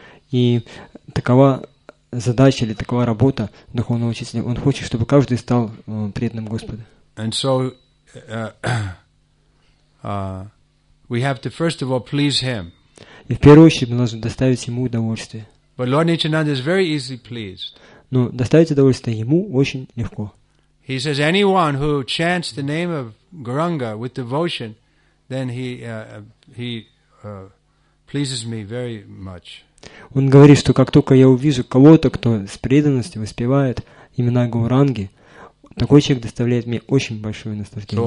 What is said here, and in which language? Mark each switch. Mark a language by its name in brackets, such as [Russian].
[Russian] И такова задача или такова работа духовного учителя. Он хочет, чтобы каждый стал преданным Господу. [English] And so we have to first of all please him. [Russian] И в первую очередь мы должны доставить ему удовольствие. [English] But Lord Nityananda is very easily pleased. [Russian] Но доставить удовольствие ему очень легко. [English] He says, anyone who chants the name of Gauranga with devotion, then he pleases me very much. [Russian] Он говорит, что как только я увижу кого-то, кто с преданностью воспевает имена Гауранги, такой человек доставляет мне очень большое наслаждение.